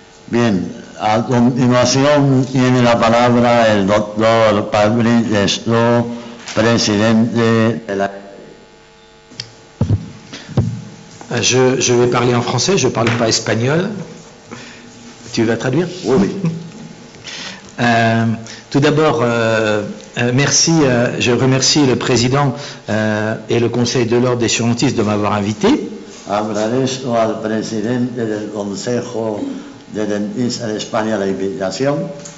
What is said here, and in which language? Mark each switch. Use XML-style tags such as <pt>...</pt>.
<es>Bien, a continuación tiene la palabra el doctor Patrick Stroh, presidente de la...</es> <fr>Je vais parler en français, je parle pas espagnol. Tu vas traduire? Oui, oui. Tout d'abord, merci, je remercie le président et le conseil de l'ordre des chirurgiens de m'avoir invité.</fr> <es>Agradezco al presidente del Consejo de Dentistas de España la invitación.</es>